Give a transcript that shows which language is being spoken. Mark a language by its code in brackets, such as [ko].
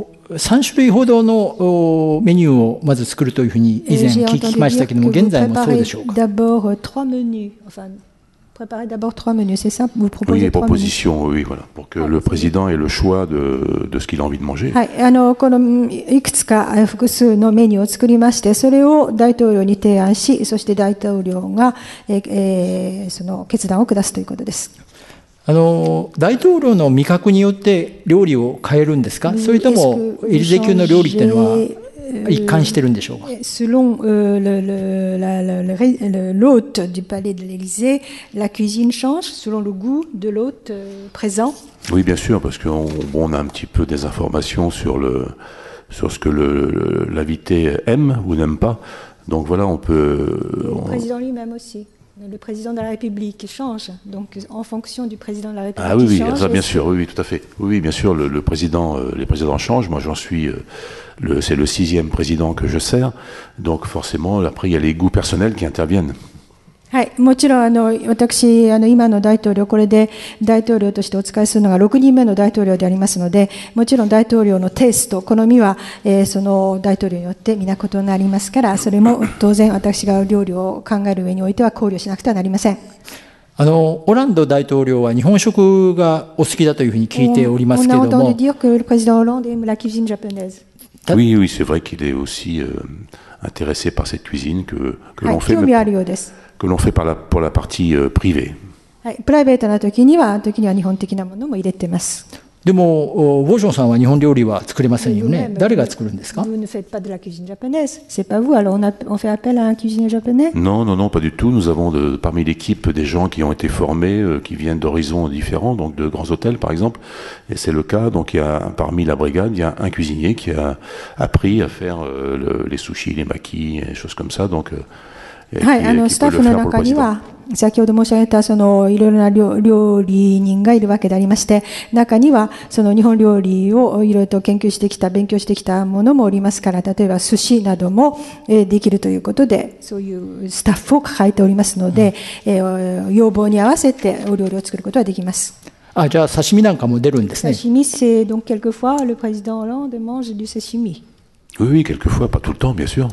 [ja] 3種類ほどのメニューをまず作るというふうに以前聞きましたけども、現在もそうでしょうか？ [fr] D'abord trois menus, enfin... Préparer d'abord trois menus, c'est ça? Vous proposez trois menus? Oui, propositions, oui, voilà, pour que le président ait le choix de ce qu'il a envie de manger. [ja] はい、このいくつか複数のメニューを作りまして、それを大統領に提案し、そして大統領が、その決断を下すということです。大統領の味覚によって料理を変えるんですか？それともエリゼ級の料理っていうのは一貫してるんでしょうか。 [fr] Selon l'hôte du palais de l'Élysée, la cuisine change selon le goût de l'hôte présent. Oui, bien sûr, parce qu'on a un petit peu des informations sur ce que l'invité aime ou n'aime pas. Donc voilà, on peut. Le président lui-même aussi. Le président de la République change. Donc en fonction du président de la République. Ah oui, ça bien sûr, oui, tout à fait. Oui, bien sûr, le président, les présidents changent. Moi, j'en suis. C'est le sixième président que je sers, donc forcément, après, il y a les goûts personnels qui interviennent. [ja] はい、もちろん私今の大統領これで大統領としてお使いするのが6人目の大統領でありますので、もちろん大統領のテイスト好みは、その大統領によってみな異なりますから、それも当然私が料理を考える上においては考慮しなくてはなりません。オランド大統領は日本食がお好きだというふうに聞いておりますけども、オランド大統領は日本食が好きだというふうに聞いておりますけども、 [fr] oui, intéressé par cette cuisine que l'on fait pour la partie privée. [ja] Private な時には日本的なものも入れてます。でも、ウォジョンさんは日本料理は作れませんよね。誰が作るんですか？ [fr] Vous ne faites pas de la cuisine japonaise. C'est pas vous. Alors on fait appel à un cuisinier japonais? Non, pas du tout. Nous avons parmi l'équipe des gens qui ont été formés, qui viennent d'horizons différents, donc de grands hôtels par exemple. Et c'est le cas. Donc parmi la brigade, il y a un cuisinier qui a appris à faire les sushis, les makis, des choses comme ça. Donc, [ja] スタッフの中には先ほど申し上げたそのいろいろな料理人がいるわけでありまして、中にはその日本料理をいろいろと研究してきた勉強してきたものもおりますから、例えば寿司などもできるということで、そういうスタッフを抱えておりますので、うん、要望に合わせてお料理を作ることはできます。あ、じゃあ刺身なんかも出るんですね。 [fr] 刺身、c'est donc quelquefois le président Hollande mange du sashimi。 Oui, oui, quelquefois, pas tout le temps, bien sûr.